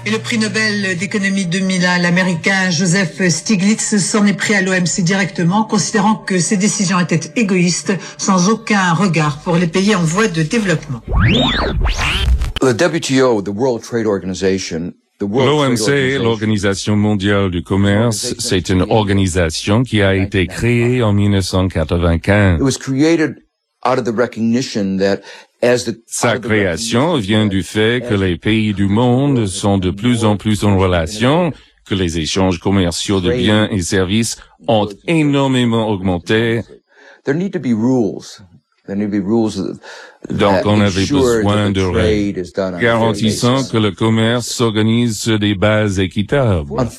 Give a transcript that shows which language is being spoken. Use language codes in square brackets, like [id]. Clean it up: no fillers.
[fr] Et le prix Nobel d'économie 2001, l'Américain Joseph Stiglitz s'en est pris à l'OMC directement, considérant que ses décisions étaient égoïstes, sans aucun regard pour les pays en voie de développement. [en] The WTO, the World Trade Organization, [fr] L'OMC, l'Organisation mondiale du commerce, c'est une organisation qui a été créée en 1995. [en] It was created out of the recognition that [fr] sa création vient du fait que les pays du monde sont de plus en plus en relation, que les échanges commerciaux de biens et services ont énormément augmenté. Donc on avait besoin de règles garantissant que le commerce s'organise sur des bases équitables.